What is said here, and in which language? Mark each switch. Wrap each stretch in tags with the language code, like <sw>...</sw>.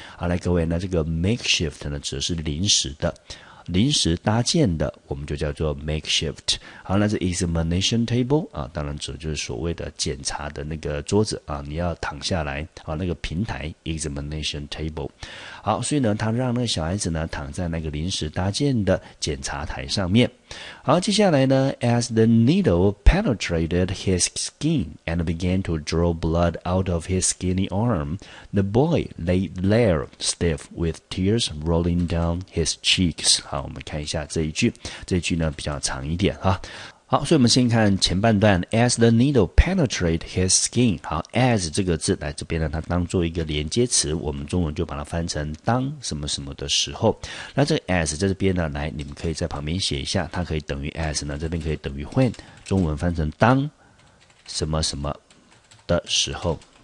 <zh>好，来各位，那这个 makeshift 呢只是临时的，临时搭建的，我们就叫做 makeshift。好，那这 examination table 啊，当然指的就是所谓的检查的那个桌子啊，你要躺下来啊，那个平台 examination table。好，所以呢他让那个小孩子呢躺在那个临时搭建的检查台上面。</zh> <en>好，接下来呢 as the needle penetrated his skin and began to draw blood out of his skinny arm, the boy lay there stiff with tears rolling down his cheeks。</en> <zh>好，我们看一下这一句呢比较长一点啊。好，所以我们先看前半段 ，</zh> <en>as the needle penetrated his skin。</en> <zh>好 ，as 这个字来这边呢，它当做一个连接词，我们中文就把它翻成当什么什么的时候。那这个 as 在这边呢，来，你们可以在旁边写一下，它可以等于 as 呢，这边可以等于 when， 中文翻成当什么什么的时候。</zh>